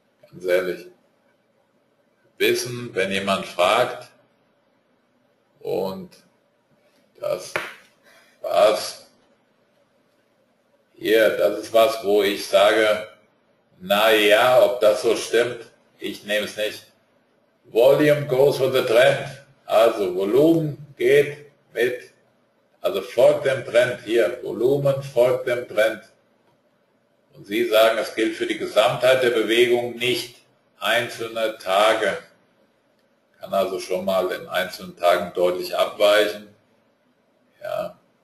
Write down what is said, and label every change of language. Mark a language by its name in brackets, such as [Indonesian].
[German] Ganz ehrlich, wissen, wenn jemand fragt, und das war's. Hier, das ist was, wo ich sage, na ja, ob das so stimmt, ich nehme es nicht. [English] Volume goes with the trend. [German] Also Volumen geht mit, also folgt dem Trend hier. Volumen folgt dem Trend. Und Sie sagen, es gilt für die Gesamtheit der Bewegung, nicht einzelne Tage. Kann also schon mal in einzelnen Tagen deutlich abweichen. Ja.